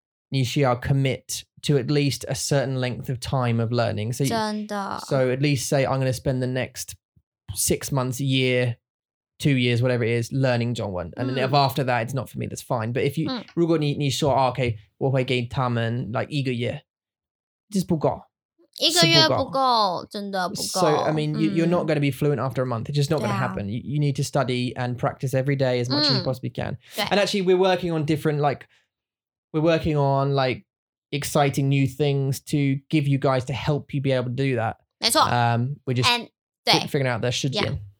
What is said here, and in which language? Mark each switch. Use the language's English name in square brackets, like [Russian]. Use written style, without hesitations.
[English] You should commit to at least a certain length of time of learning. So at least say, I'm going to spend the next 6 months, year, 2 years, whatever it is, learning Chinese. And then if after that, it's not for me, that's fine. But if you, if you say, okay, [Chinese] 我会给他们 like 一个月就是不够，一个月不够，真的不够。 [English] So I mean, you're not going to be fluent after a month. It's just not going to happen. You need to study and practice every day as much as you possibly can. And actually, we're working on different like, we're working on like exciting new things to give you guys to help you be able to do that. [Chinese] 没错. [English] We're just figuring out the schedule.